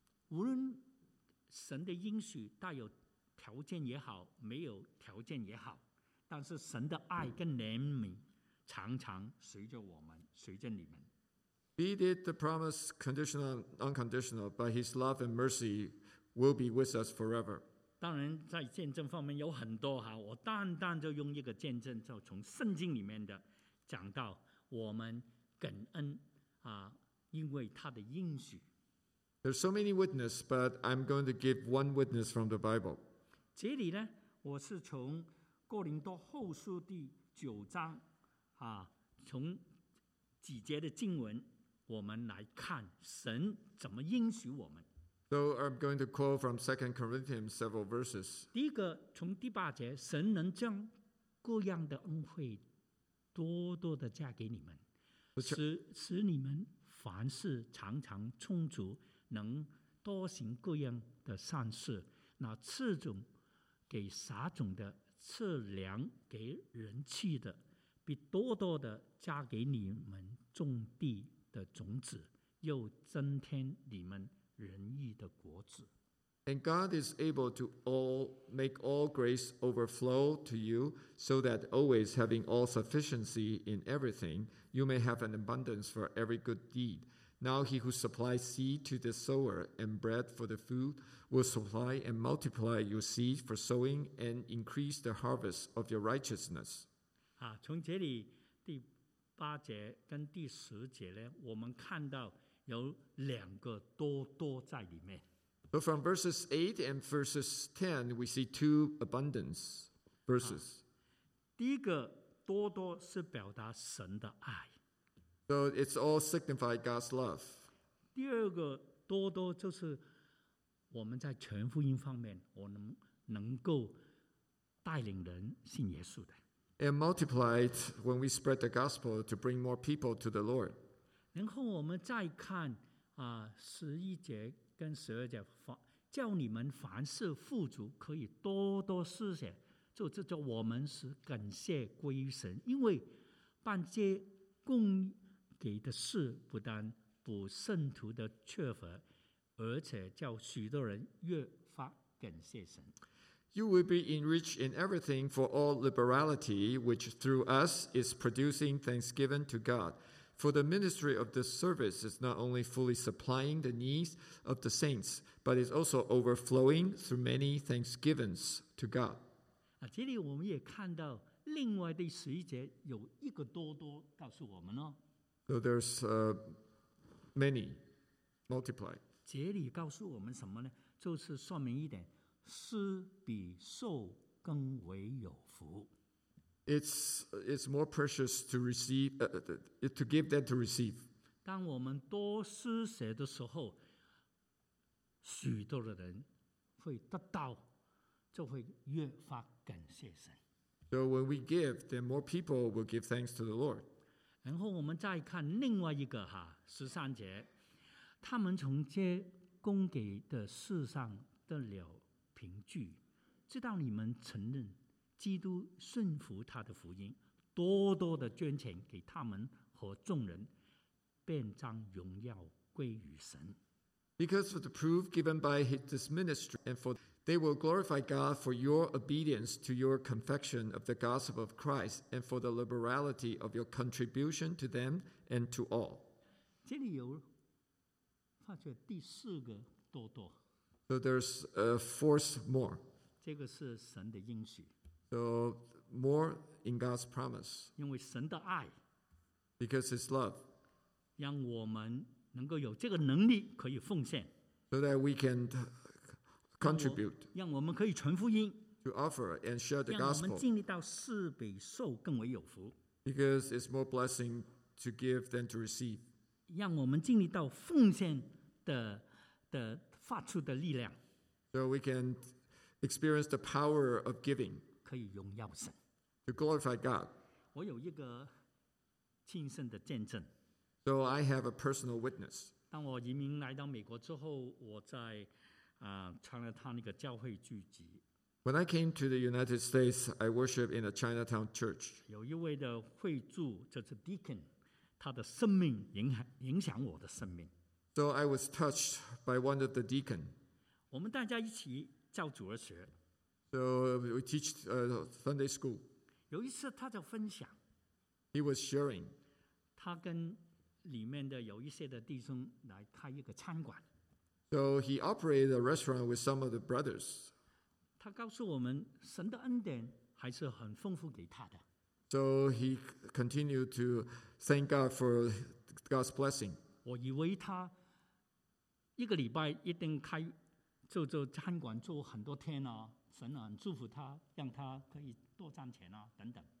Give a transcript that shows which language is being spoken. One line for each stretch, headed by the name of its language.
Chinese: 无论神的应许带有条件也好，没有条件也好，但是神的爱跟怜悯常常随着我们，随着你们。
English: Be it the promise conditional, unconditional, but His love and mercy will be with us forever.
Chinese: 当然，在见证方面有很多哈，我单单就用一个见证，就从圣经里面的讲到我们感恩啊，因为他的应许。
English: There's so many witnesses, but I'm going to give one witness from the Bible.
Chinese: 这里呢，我是从哥林多后书第九章。从几节的经文我们来看神怎么应许我们
English: So I'm going to quote from 2 Corinthians several verses
Chinese: 第一个从第八节神能将各样的恩惠多多的加给你们 使你们凡事常常充足能多行各样的善事那赐种给撒种的赐粮给人气的必多多的加给你们种地的种子，又增添你们仁义的果子。
English: And God is able to all make all grace overflow to you, so that always having all sufficiency in everything, you may have an abundance for every good deed. Now he who supplies seed to the sower and bread for the food will supply and multiply your seed for sowing and increase the harvest of your righteousness.
Chinese: 从这里第八节跟第十节呢我们看到有两个多多在里面
English: So from verses 8 and verses 10 we see two abundance verses
Chinese: 第一个多多是表达神的爱
English: So it's all signified God's love
Chinese: 第二个多多就是我们在全福音方面我们能够带领人信耶稣的
English: And multiplied when we spread the gospel to bring more people to the Lord.
Chinese: 然后我们再看十一节跟十二节，叫你们凡事富足，可以多多施舍，就这叫我们是感谢归于神，因为办这供给的事不但补圣徒的缺乏，而且叫许多人越发感谢神。
English: You will be enriched in everything for all liberality, which through us is producing thanksgiving to God. For the ministry of this service is not only fully supplying the needs of the saints, but is also overflowing through many thanksgivings to God.
Chinese: 这里我们也看到另外的十一节有一个多多告诉我们哦。
English: So there's many, multiply.
Chinese: 这里告诉我们什么呢？就是说明一点。施比受更为有福。
English: It's more precious to receive to give than to receive.
Chinese: 当我们多施舍的时候，许多的人会得到，就会越发感谢神。
English: So when we give, then more people will give thanks to the Lord.
Chinese: 然后我们再看另外一个哈，十三节，他们从这供给的事上得了。凭据，知道你们承认基督顺服他的福音，多多的捐钱给他们和众人，便将荣耀归于神。
English: Because of the proof given by this ministry, and for they will glorify God for your obedience to your confession of the gospel of Christ, and for the liberality of your contribution to them and to all.
Chinese: 这里有发觉第四个多多。
English: So there's a force more.
Chinese: 这个是神的应许。
English: So more in God's promise.
Chinese: 因为神的爱。
English: Because His love.
Chinese: 让我们能够有这个能力可以奉献。
English: So that we can contribute.
Chinese: 让我们可以传福音。
English: To offer and share the gospel.
Chinese: 让我们经历到施比受更为有福。
English: Because it's more blessing to give than to receive.
Chinese: 让我们经历到奉献的发出的力量，
English: so we can experience the power of giving，
Chinese: 可以荣耀神，
English: to glorify God。
Chinese: 我有一个亲身的见证，
English: so I have a personal witness。
Chinese: 当我移民来到美国之后，我在Chinatown 那个教会聚集。
English: When I came to the United States, I worship in a Chinatown church。
Chinese: 有一位的会主，就是 Deacon， 他的生命影响我的生命。
English: So I was touched by one of the deacons.
Chinese: 我们大家一起教主日学。
English: So we teach Sunday school.
Chinese: 有一次他就分享。
English: He was sharing.
Chinese: 他跟里面的有一些的弟兄来开一个餐馆。
English: So he operated a restaurant with some of the brothers.
Chinese: 他告诉我们神的恩典还是很丰富给他的。
English: So he continued to thank God for God's blessing.
Chinese: 我以为他一个礼拜一定开做餐馆做很多天啊，神啊，祝福他，让他可以多赚钱啊，等等。